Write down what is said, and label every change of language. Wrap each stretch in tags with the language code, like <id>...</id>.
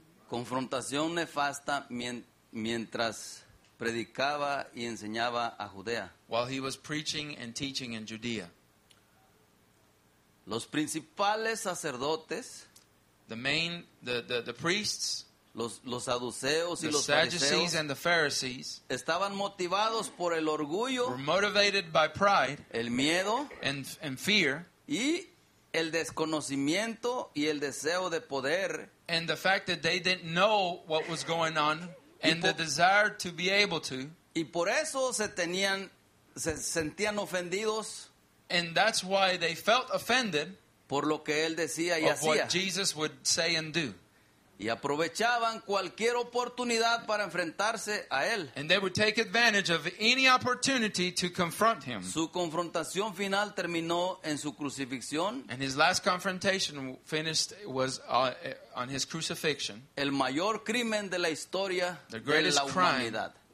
<es>Confrontación nefasta mientras predicaba y enseñaba a Judea.</es> <en>While he was preaching and teaching in Judea.</en> <es>Los principales sacerdotes.</es> <en>The priests.</en> <es>Los saduceos y los</es> <en>fariseos and the Pharisees</en> <es>estaban motivados por el orgullo,</es> <en>were motivated by pride,</en> <es>el miedo</es> <en>and fear,</en> <es>y el desconocimiento y el deseo de poder,</es> <en>and the fact that they didn't know what was going on and the desire to be able to,</en> <es>y por eso se sentían ofendidos,</es> <en>and that's why they felt offended</en> <es>por lo que él decía y hacía,</es> <en>what Jesus would say and do.</en> <es>Y aprovechaban cualquier oportunidad para enfrentarse a él.</es> <en>And they would take advantage of any opportunity to confront him.</en> <es>Su confrontación final terminó en su crucifixión.</es> <en>And his last confrontation finished was on his crucifixion.</en> <es>El mayor crimen de la historia de la humanidad.</es> <en>The greatest crime</en>